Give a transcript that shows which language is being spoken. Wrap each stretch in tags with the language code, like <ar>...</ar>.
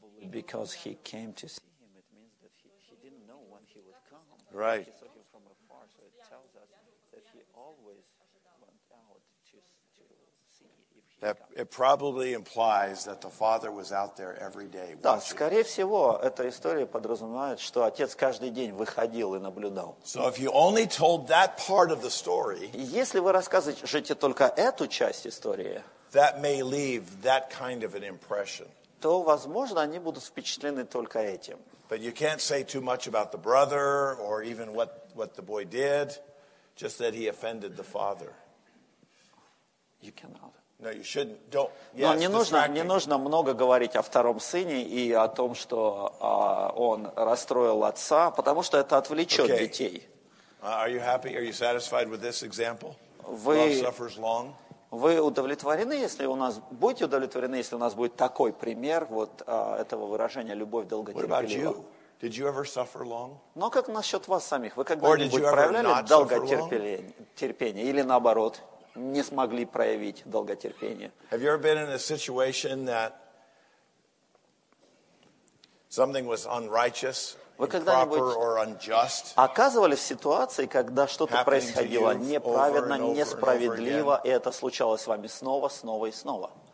<en>Because he came to see him, it means that he didn't know when he would come. Right. He saw him from afar, so it tells us that he always went out to see if he That it probably implies that the father was out there every day.</en> <ru>Да, скорее всего, эта история подразумевает, что отец каждый день выходил и наблюдал.</ru> <en>So if you only told that part of the story,</en> <ru>если вы рассказываете только эту часть истории,</ru> <en>that may leave that kind of an impression.</en> <ru>То, возможно, они будут впечатлены только этим.</ru> <en>But you can't say too much about the brother or even what the boy did, just that he offended the father. You cannot. No, you shouldn't. Don't. Yes,</en> <ru>не нужно много говорить о втором сыне и о том, что он расстроил отца, потому что это отвлечет</ru> <en>okay.</en> <ru>детей.</ru> <en>Are you happy? Are you satisfied with this example? Love suffers long.</en> <ru>Вы удовлетворены, если у нас будете удовлетворены, если у нас будет такой пример вот этого выражения «любовь долготерпелива». Но как насчет вас самих? Вы когда-нибудь проявляли долготерпение? Или наоборот, не смогли проявить долготерпение?</ru> <en>Have you ever been in a situation that something was unrighteous?</en> <ru>Вы когда-нибудь оказывались в ситуации, когда что-то происходило неправедно, несправедливо, и это случалось с вами снова, снова и снова?</ru>